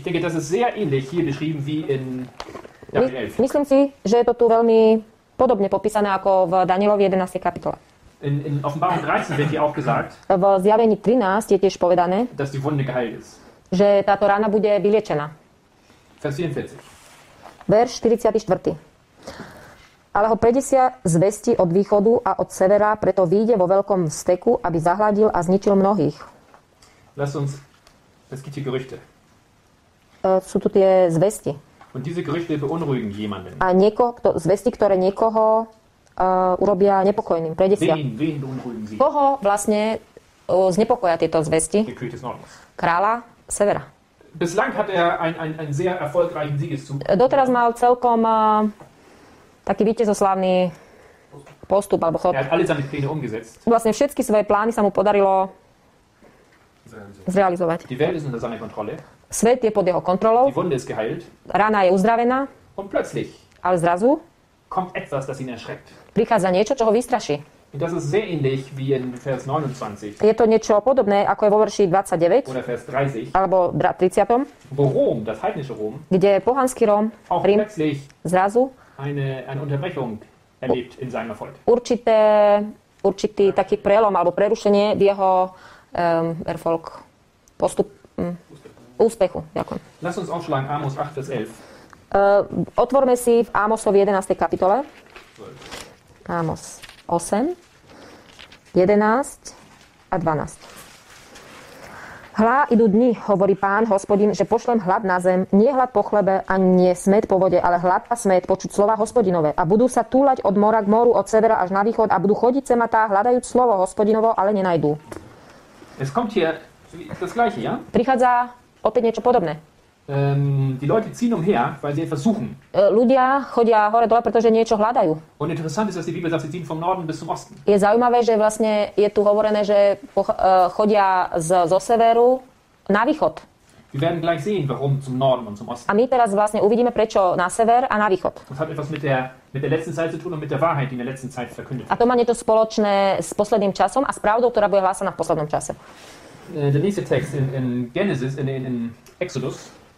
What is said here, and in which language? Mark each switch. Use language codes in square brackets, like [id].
[de] Ich denke, das ist sehr ähnlich hier beschrieben wie in Daniel 11. [sk] Myslím si, že je to tu veľmi podobne popísané ako v Danielovi 11. kapitole. [de] In Offenbarung 13 wird hier auch gesagt. [sk] V Zjavení 13 je tiež povedané. [de] Dass die Wunde geheilt ist. [sk] Že táto rána bude vyliečená. [de] Vers 44. [sk] Verš 44. Ale ho predesia zvesti od východu a od severa, preto vyjde vo veľkom steku, aby zahladil a zničil mnohých. [de] Lass uns. Es gibt hier Gerüchte. [sk] Sú tu tie zvesti. [de] Und diese Gerüchte beunruhigen jemanden. [sk] A zvesti, ktoré niekoho urobia nepokojným, predesia. Koho vlastne znepokoja tieto zvesti? Kráľa Severa. [de] Bislang hat er ein sehr erfolgreichen Siegeszug. [sk] Doteraz mal celkom taký víťazoslavný postup alebo chod. [de] Er hat alle seine Pläne umgesetzt. [sk] Vlastne všetky svoje plány sa mu podarilo zrealizovať. [de] Die Welt ist unter seiner Kontrolle. [sk] Svet je pod jeho kontrolou. [de] Die Wunde ist geheilt. [sk] Rána je uzdravená. [de] Und plötzlich. [sk] Ale zrazu. [de] Kommt etwas, das ihn erschreckt. [sk] Prichádza niečo, čo ho vystraší. [de] Das ist sehr ähnlich wie in Vers 29. [sk] Je to niečo podobné, ako je vo verši 29. [de] Oder Vers 30. [sk] Alebo 30. [de] Wo Rom, das heidnische Rom. [sk] Kde je pohanský Rom. [de] Auch [sk] Rím, [de] plötzlich. [sk] Zrazu. [de] Eine Unterbrechung erlebt in seinem Erfolg. [sk] Určitý taký prelom alebo prerušenie v jeho [de] Erfolg. [sk] Postup. Úspechu. Ďakujem. [de] Lass uns aufschlagen Amos 8, Vers 11. [sk] Otvorme si v Amosovi 11. kapitole. Amos 8, 11 a 12. Hlá idú dni, hovorí Pán Hospodin, že pošlem hlad na zem, nie hlad po chlebe a nie smet po vode, ale hlad a smet počuť slova Hospodinové. A budú sa túlať od mora k moru, od severa až na východ a budú chodiť sematá, hľadajúc slovo Hospodinovo, ale nenajdú. [de] Es kommt hier das gleiche, ja? [sk] Prichádza opäť niečo podobné. [de] Die Leute ziehen umher, weil sie etwas suchen. [sk] Ľudia chodia hore dole, pretože niečo hľadajú. [de] Und interessant ist, dass die Bibel sagt, sie ziehen vom Norden bis zum Osten. [sk] Je zaujímavé, že vlastne je tu hovorené, že chodia zo severu na východ. [de] Wir werden gleich sehen, warum zum Norden und zum Osten. [sk] A my teraz vlastne uvidíme, prečo na sever a na východ. [de] Das hat etwas mit der letzten Zeit zu tun und mit der Wahrheit, die in der letzten Zeit verkündet wird. [sk] A to má niečo spoločné s posledným časom a s pravdou, ktorá bude hlásaná v poslednom čase. [de] Der nächste Text in Genesis, in Exodus.